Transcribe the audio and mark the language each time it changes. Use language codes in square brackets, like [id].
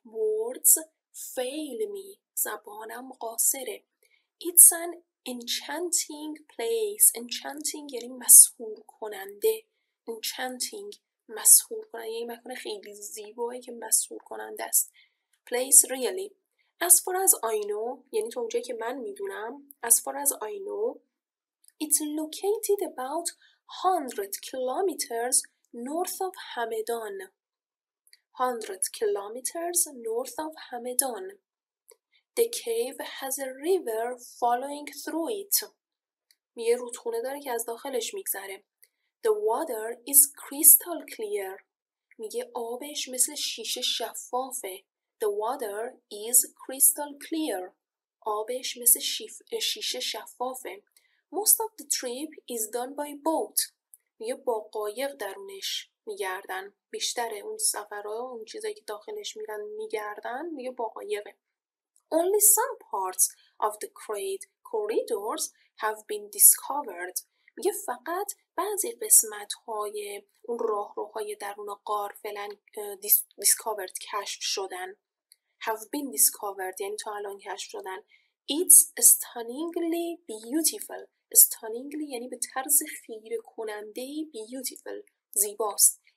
[en] Words fail me [fa] زبانم قاصره. [en] It's an enchanting place. [fa] Enchanting یعنی مسحور کننده. Enchanting مسحور کننده یعنی مکان خیلی زیبایی که مسحور کننده است. [en] Place really. As far as I know [fa] یعنی تو اونجایی که من میدونم. [en] As far as I know it's located about 100 kilometers north of Hamedan. 100 kilometers north of Hamedan. The cave has a river following through it. [fa] یه رودخونه داره که از داخلش میگذره. [en] The water is crystal clear. [fa] میگه آبش مثل شیشه شفافه. [en] The water is crystal clear. [fa] آبش مثل شیشه شفافه. [en] Most of the trip is done by boat. [fa] میگه با قایق درونش میگردن. بیشتر اون سفرها اون چیزایی که داخلش میرن میگردن میگه با قایقه. [en] Only some parts of the great corridors have been discovered. [fa] میگه فقط بعضی قسمت‌های اون راهروهای درون غار فلان discovered کشف شدن. [en] Have been discovered [fa] یعنی تا الان کشف شدن. [en] It's stunningly beautiful. [fa] Stunningly یعنی به طرز خیره کننده beautiful زیباست.